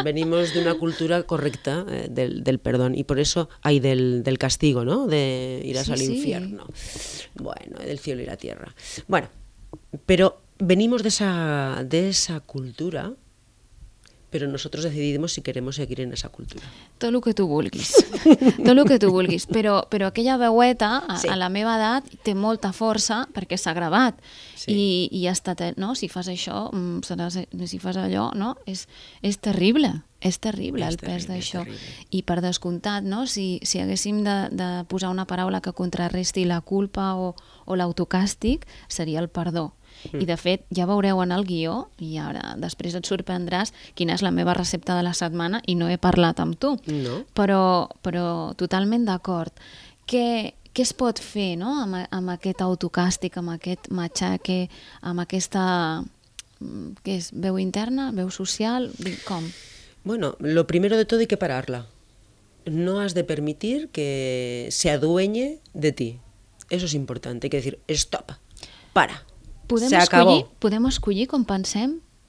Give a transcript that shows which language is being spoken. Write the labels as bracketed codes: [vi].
[es] Venimos de una cultura correcta del perdón y por eso hay del castigo, ¿no? De irás al infierno. Bueno, del cielo y la tierra. Bueno, pero venimos de esa cultura, pero nosotros decidimos si queremos seguir en esa cultura. Todo lo que tú vulguis. Todo lo que tú vulguis. [ca] Pero aquella veueta, a la meva edat, té molta força perquè s'ha gravat. Sí. I ja està, no? Si fas això, si fas allò, no? És terrible. És terrible el pes d'això. I per descomptat, no? Si haguéssim de posar una paraula que contrarresti la culpa o l'autocàstig, seria el perdó. I de fet, ja veureu en el guió, i ara després et sorprendràs, quina és la meva recepta de la setmana i no he parlat amb tu. No. Però totalment d'acord. Què es pot fer, no?, amb aquest autocàstig, amb aquest matxaque, amb aquesta... Què és? Veu interna? Veu social? Com? [es] Bueno, lo primero de todo hay que pararla. No has de permitir que se adueñe de ti. Eso es importante. Hay que decir, stop, para. ¿Podemos escoger con pensem?